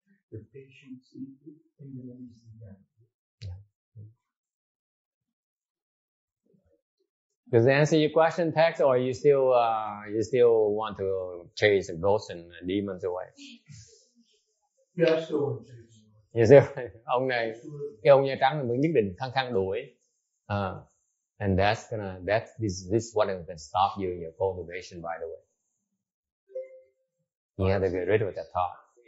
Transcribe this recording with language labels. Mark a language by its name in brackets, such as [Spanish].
[English] The patience in the ways of that. Does that answer your question, Tex, or you still want to chase ghosts and demons away? Yeah, I still want to chase away. You see, [Vietnamese] ông này, cái ông da trắng này vẫn nhất định khăng khăng đuổi. [English] And this is what is gonna stop you in your cultivation, by the way. You have to get rid of that thought.